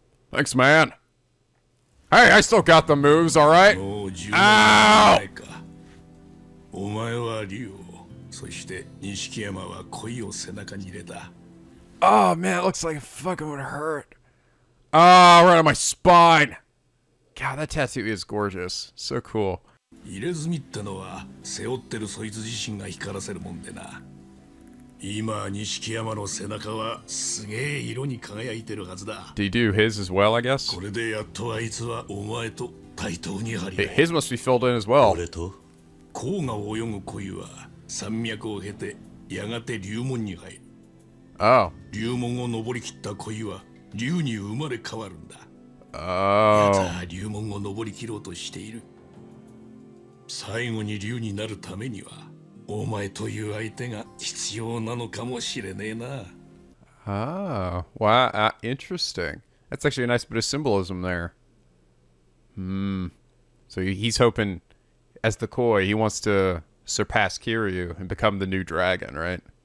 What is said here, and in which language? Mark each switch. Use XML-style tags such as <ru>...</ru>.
<en>Thanks, man. Hey, I still got the moves, all right? Ow!</en> <ja>お前は竜を、そして錦山は鯉を背中に入れた。</ja> <en>Oh, man, it looks like it fucking would hurt. Ah, right on my spine. God, that tattoo is gorgeous. So cool.</en> <ja>入れ墨ってのは背負ってるそいつ自身が光らせるもんでな。今錦山の背中はすげえ色に輝いてるはずだ。</ja> <en>Did you do his as well, I guess?</en> <ja>これでやっとあいつはお前と対等に張り</ja> <en>合い。 His must be filled in as well.</en> <ja>これと黄河を泳ぐ鯉は山脈を経てやがて龍門に入る。</ja> <en>Oh.</en> <ja>龍門を登り切った鯉は龍に生まれ変わるんだ。</ja> <en>Oh.</en> <ja>また龍門を登り切ろうとしている。最後に龍になるためには。お前という相手が必要なのかもしれねえな。</ja> <en>Oh, wow, interesting. That's actually a nice bit of symbolism there. Hmm. So he's hoping, as the koi, he wants to surpass Kiryu and become the new dragon, right?</en>